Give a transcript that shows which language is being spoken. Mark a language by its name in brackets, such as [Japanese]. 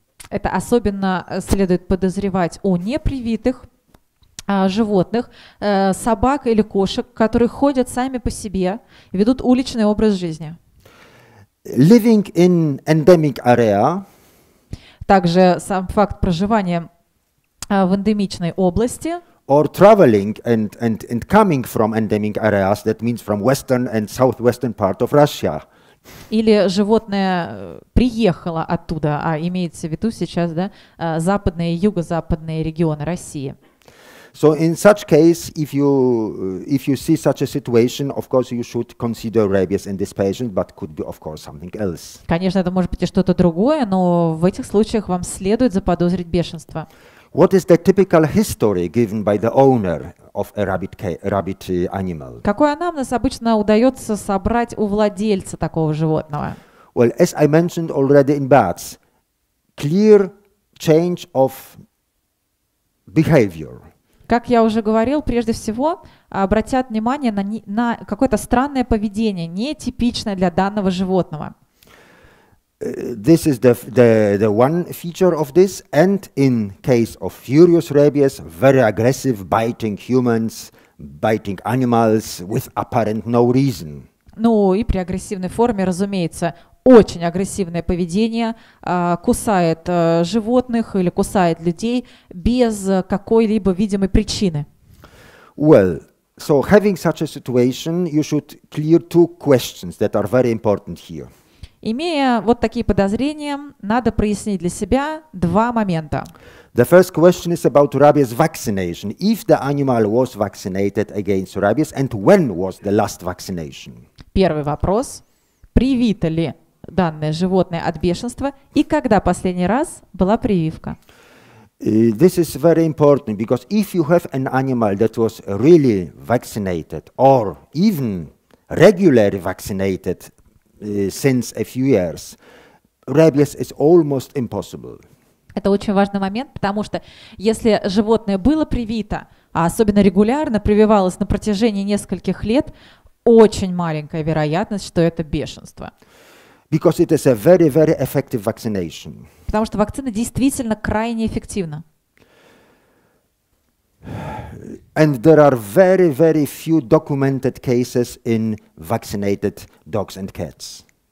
[Russian] Это особенно следует подозревать у непривитых животных, собак или кошек, которые ходят сами по себе, ведут уличный образ жизни. [English] Living in endemic area. [Russian] Также сам факт проживания в эндемичной области. [English] Or traveling and coming from endemic areas, that means from western and southwestern part of Russia. [Russian] Или животное приехало оттуда, а имеется в виду сейчас, да, западные и юго-западные регионы России. [English] So in such case, if you see such a situation, of course you should consider rabies in this patient, but could be of course something else. [Russian] Конечно, это может быть что-то другое, но в этих случаях вам следует заподозрить бешенство. [English] What is the typical history given by the owner of a rabid animal? [Russian] Какой анамнез обычно удается собрать у владельца такого животного? [English] Well, as I mentioned already in bats, clear change of behavior. [Russian] Как я уже говорил, прежде всего обратят внимание на какое-то странное поведение, нетипичное для данного животного. [English] This is the one feature of this, and in case of furious rabies, very aggressive, biting humans, biting animals with apparent no reason. [Russian] Ну и при агрессивной форме, разумеется, очень агрессивное поведение, кусает животных или кусает людей без какой-либо видимой причины. [English] Well, so having such a situation, you should clear two questions that are very important here. [Russian] Имея вот такие подозрения, надо прояснить для себя два момента. [English] The first question is about rabies vaccination. If the animal was vaccinated against rabies, and when was the last vaccination? [Russian] Первый вопрос. Привито ли данное животное от бешенства, и когда последний раз была прививка? [English] This is very important, because if you have an animal that was really vaccinated, or even regularly vaccinated, since a few years, rabies is almost impossible. [Russian] Это очень важный момент, потому что если животное было привито, а особенно регулярно прививалось на протяжении нескольких лет, очень маленькая вероятность, что это бешенство. [English] Because it is a very, very effective vaccination. [Russian] Потому что вакцина действительно крайне эффективна. [English] And there are very, very few documented cases in vaccinated dogs and cats.